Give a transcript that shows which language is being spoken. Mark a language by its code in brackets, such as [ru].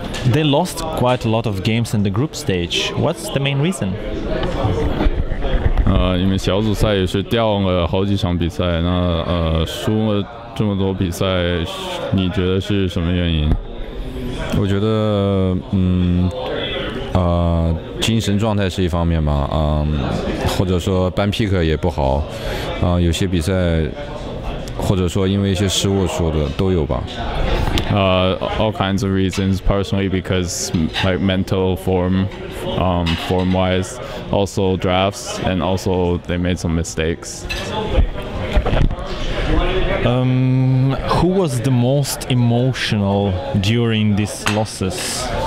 [en] They lost quite a lot of games in the group stage. What's the main reason? [zh] 你们小组赛也是掉了好几场比赛，那输了这么多比赛，你觉得是什么原因？我觉得，精神状态是一方面吧，或者说ban pick 也不好，有些比赛，或者说因为一些失误输的都有吧。 [en] All kinds of reasons, personally because like mental form, form wise, also drafts, and also they made some mistakes. Who was the most emotional during these losses?